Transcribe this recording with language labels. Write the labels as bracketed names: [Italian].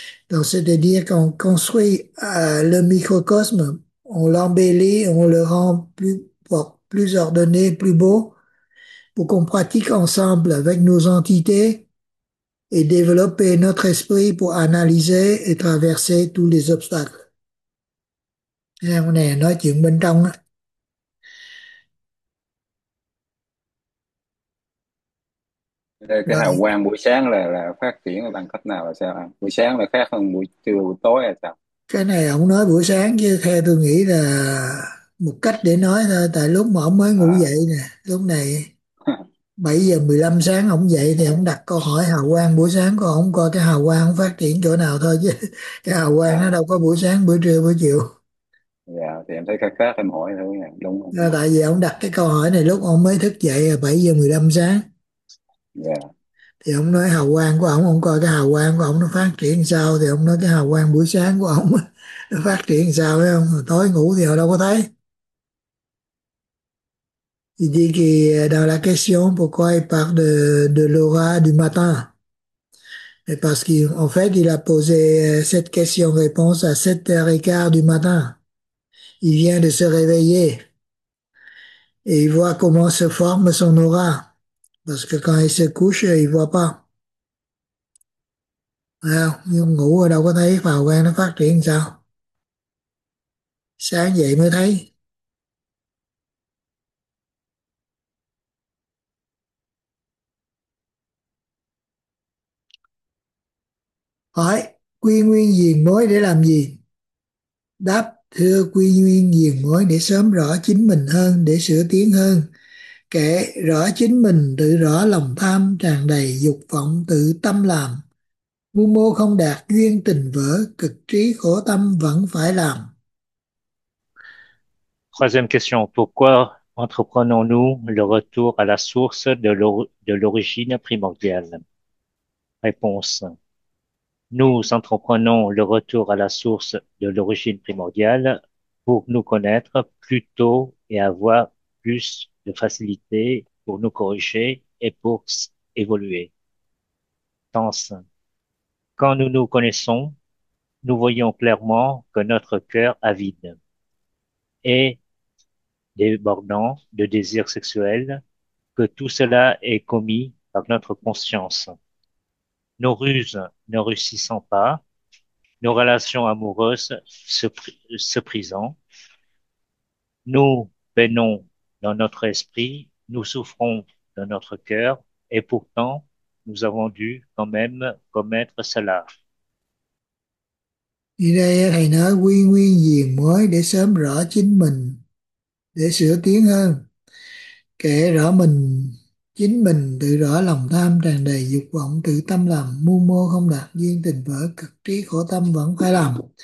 [French] Donc c'est-à-dire qu'on construit le microcosme, on l'embellit, on le rend plus ordonné, plus beau, pour qu'on pratique ensemble avec nos entités et développer notre esprit pour analyser et traverser tous les obstacles. [Vietnamese] Nè, nói chuyện bên trong á. Cái hào Rồi. quang buổi sáng là phát triển bằng cách nào là sao anh? Buổi sáng là khác hơn buổi chiều buổi tối là sao? Cái này ông nói buổi sáng chứ theo tôi nghĩ là một cách để nói thôi, tại lúc mà ông mới ngủ dậy nè, lúc này 7:15 sáng ông dậy thì ông đặt câu hỏi hào quang buổi sáng của ông coi cái hào quang ông phát triển chỗ nào thôi, chứ cái hào quang nó đâu có buổi sáng, buổi trưa, buổi chiều. Thì em thấy khác khác em hỏi thôi nha, đúng không? Tại vì ông đặt cái câu hỏi này lúc ông mới thức dậy là 7:15 sáng, thì ông nói hào quang của ông coi cái hào quang của ông nó phát triển sao, thì ông nói cái hào quang buổi sáng của ông nó phát triển sao, thấy không? Tối ngủ thì họ đâu có thấy. [French] Il dit que dans la question pourquoi il parle de l'aura du matin, et parce qu'en fait il a posé cette question-réponse à 7h15 du matin. Il vient de se réveiller et il voit comment se forme son aura, parce que quand il se couche il voit pas. Alors, il [Vietnamese] ngủ ở đâu có thấy hào quang nó phát triển sao, sáng dậy mới thấy. Hỏi quy nguyên diền mới để làm gì? Đáp: thưa, quy nguyên diền mới để sớm rõ chính mình hơn, để sửa tiến hơn. Kể rõ chính mình, tự rõ lòng tham tràn đầy dục vọng, tự tâm làm mưu mô không đạt, duyên tình vỡ, cực trí khổ tâm vẫn phải làm. [French] Troisième question, pourquoi entreprenons-nous le retour à la source de l'origine primordiale? Réponse. Nous entreprenons le retour à la source de l'origine primordiale pour nous connaître plus tôt et avoir plus de facilité pour nous corriger et pour évoluer. Sens. Quand nous nous connaissons, nous voyons clairement que notre cœur avide et débordant de désirs sexuels, que tout cela est commis par notre conscience. Nos ruses ne réussissant pas, nos relations amoureuses se brisant, nous peinons dans notre esprit, nous souffrons dans notre cœur, et pourtant, nous avons dû quand même commettre cela. [Vietnamese] Như đây thầy nói quy nguyên diền mới để sớm rõ chính mình, để sửa tiến hơn. Kể rõ mình, chính mình, tự rõ lòng tham tràn đầy dục vọng, tự tâm làm mưu mô không đạt, duyên tình vỡ, cực trí khổ tâm vẫn phải làm.